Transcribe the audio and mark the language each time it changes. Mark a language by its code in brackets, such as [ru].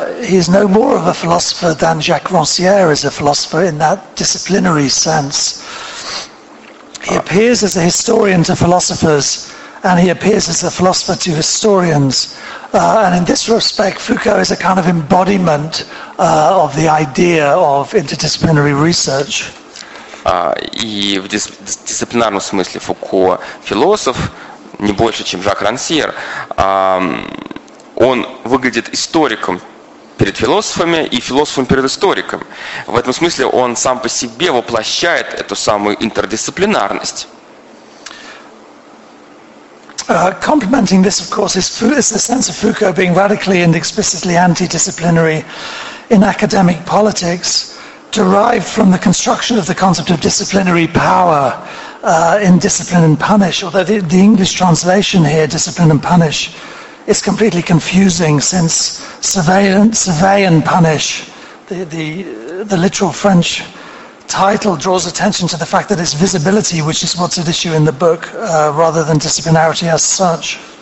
[en] He is no more of a philosopher than Jacques Rancière is a philosopher in that disciplinary sense. He appears as a historian to philosophers, and he appears as a philosopher to historians. And in this respect, Foucault is a kind of embodiment of the idea of interdisciplinary research. [ru] И в дисциплинарном смысле Фуко философ, не больше, чем Жак Рансьер. Он выглядит историком перед философами и философом перед историком. В этом смысле он сам по себе воплощает эту самую интердисциплинарность. [en] Complementing this, of course, is the sense of Foucault being radically and explicitly anti-disciplinary in academic politics, derived from the construction of the concept of disciplinary power in Discipline and Punish, although the English translation here, Discipline and Punish, is completely confusing, since survey and punish, the literal French title, draws attention to the fact that it's visibility which is what's at issue in the book, rather than disciplinarity as such.